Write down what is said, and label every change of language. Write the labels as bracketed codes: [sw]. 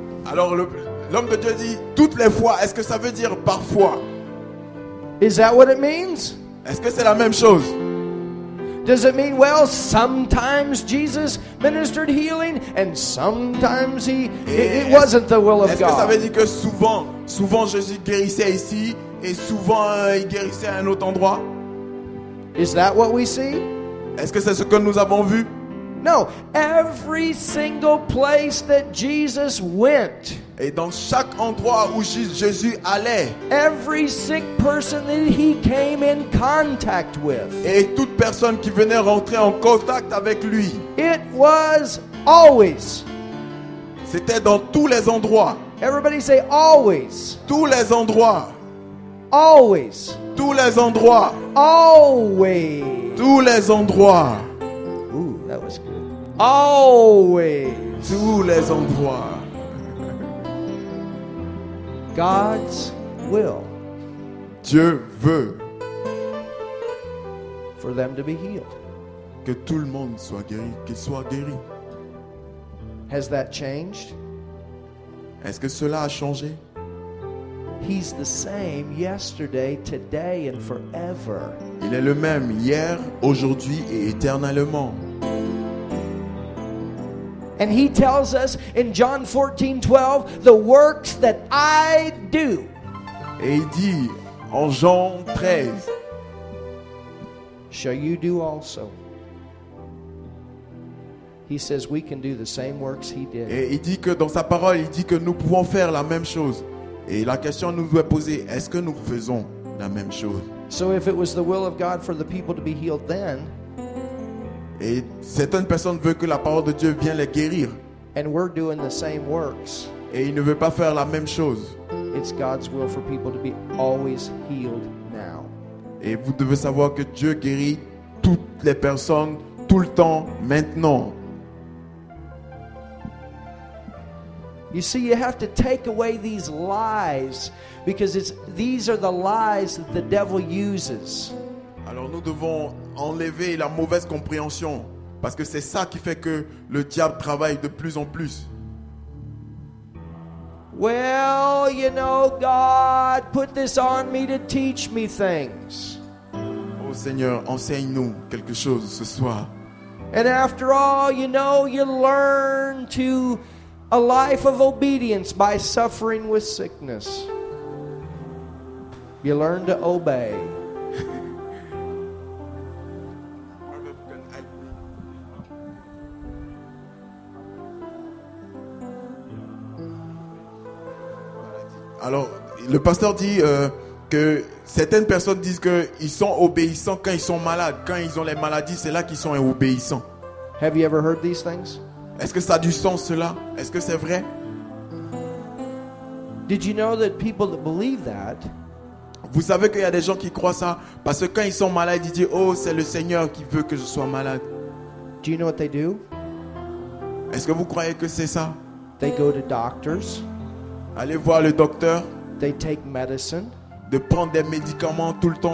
[fr] Alors l'homme de Dieu dit toutes les fois. Est-ce que ça veut dire parfois? [en] Is that what it means? [fr] Est-ce que c'est la même chose? [en] Does it mean well? Sometimes Jesus ministered healing, and sometimes he it wasn't the will of [fr] est-ce [en] God. [fr] Est-ce que ça veut dire que souvent Jésus guérissait ici et souvent il guérissait à un autre endroit? [en] Is that what we see? [fr] Est-ce que c'est ce que nous avons vu? [en] No, every single place that Jesus went. [fr] Et dans chaque endroit où Jésus allait. [en] Every sick person that he came in contact with. [fr] Et toute personne qui venait rentrer en contact avec lui. [en] It was always. [fr] C'était dans tous les endroits. [en] Everybody say always. [fr] Tous les endroits. [en] Always. [fr] Tous les endroits. [en] Always. [fr] Tous les endroits. [en] That was good. Always. [fr] Tous les endroits. [en] God's will. [fr] Dieu veut. [en] For them to be healed. [fr] Que tout le monde soit guéri, qu'il soit guéri. [en] Has that changed? [fr] Est-ce que cela a changé? [en] He's the same yesterday, today and forever. [fr] Il est le même hier, aujourd'hui et éternellement. [en] And he tells us in John 14:12, the works that I do. [fr] Et il dit en Jean 13, [en] shall you do also? He says we can do the same works he did. [fr] Et il dit que dans sa parole, il dit que nous pouvons faire la même chose. Et la question nous doit poser, est-ce que nous faisons la même chose? [en] So if it was the will of God for the people to be healed then, [fr] et certaines personnes veulent que la parole de Dieu vienne les guérir. [en] And we're doing the same works. [fr] Et ils ne veulent pas faire la même chose. [en] It's God's will for people to be always healed now. [fr] Et vous devez savoir que Dieu guérit toutes les personnes tout le temps maintenant. [en] You see, you have to take away these lies because these are the lies that the devil uses. [fr] Alors nous devons enlever la mauvaise compréhension parce que c'est ça qui fait que le diable travaille de plus en plus. [en] Well, you know, God put this on me to teach me things. [fr] Oh Seigneur, enseigne-nous quelque chose ce soir. [en] And after all, you know, you learn to a life of obedience by suffering with sickness. You learn to obey. [fr] Alors, le pasteur dit que certaines personnes disent qu'ils sont obéissants quand ils sont malades. Quand ils ont les maladies, c'est là qu'ils sont obéissants. [en] Have you ever heard these things? [fr] Est-ce que ça a du sens cela? Est-ce que c'est vrai? [en] Did you know that people that believe that? [fr] Vous savez qu'il y a des gens qui croient ça parce que quand ils sont malades, ils disent oh, c'est le Seigneur qui veut que je sois malade. [en] Do you know what they do? [fr] Est-ce que vous croyez que c'est ça? [en] They go to doctors. [fr] Aller voir le docteur. [en] They take medicine. [fr] De prendre des médicaments tout le temps.